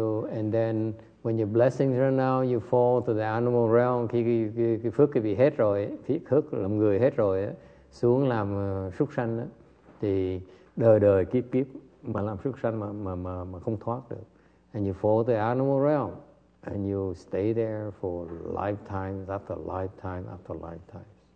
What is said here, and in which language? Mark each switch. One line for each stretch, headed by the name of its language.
English: And when your blessings run out, you fall to the animal realm.
Vietnamese: Khi cái phước quý vị hết rồi, phước làm người hết rồi, xuống làm súc sanh đó, thì đời đời kiếp kiếp mà làm súc sanh mà không thoát được.
English: And you fall to the animal realm and you stay there for lifetimes after lifetime after lifetimes.